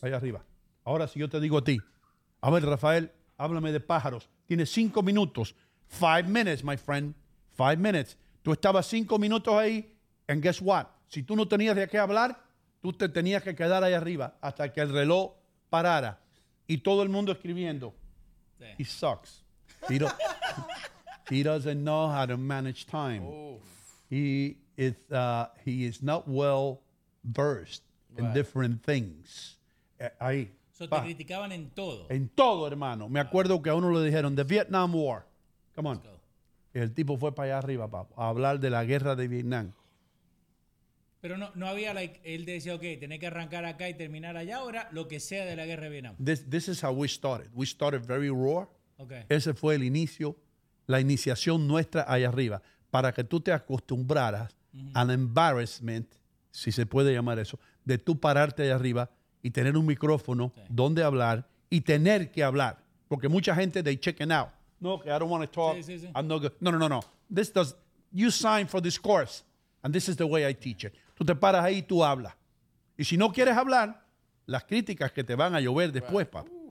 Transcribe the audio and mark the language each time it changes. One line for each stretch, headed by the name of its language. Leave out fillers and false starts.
Spanish: Allá arriba. Ahora, si yo te digo a ti. A ver, Rafael, háblame de pájaros. Tienes 5 minutos.
English: 5 minutes, my friend. 5 minutes.
Spanish: Tú estabas 5 minutos ahí.
English: And guess what?
Spanish: Si tú no tenías de qué hablar, tú te tenías que quedar ahí arriba hasta que el reloj parara. Y todo el mundo escribiendo.
English: Damn. He sucks. He, do- he doesn't know how to manage time. Oof. He is not well versed in different things.
Spanish: Ahí. So te criticaban en todo. En todo, hermano. Me acuerdo que a uno le dijeron,
English: the Vietnam War. Come on.
Spanish: El tipo fue para allá arriba, papá, a hablar de la guerra de Vietnam. Pero no había, like, él decía, ok, tenés que arrancar acá y terminar allá, ahora lo que sea de la guerra de Vietnam.
English: This is how we started. We started very raw. Okay.
Spanish: Ese fue el inicio, la iniciación nuestra allá arriba. Para que tú te acostumbraras al embarrassment, si se puede llamar eso, de tú pararte allá arriba y tener un micrófono donde hablar y tener que hablar. Porque mucha gente,
English: they checking out. No, okay, I don't want to talk.
Spanish: Sí, sí, sí.
English: I'm not good. No. This does, you sign for this course, and this is the way I teach it.
Spanish: Tú te paras ahí y tú hablas. Y si no quieres hablar, las críticas que te van a llover después, papá.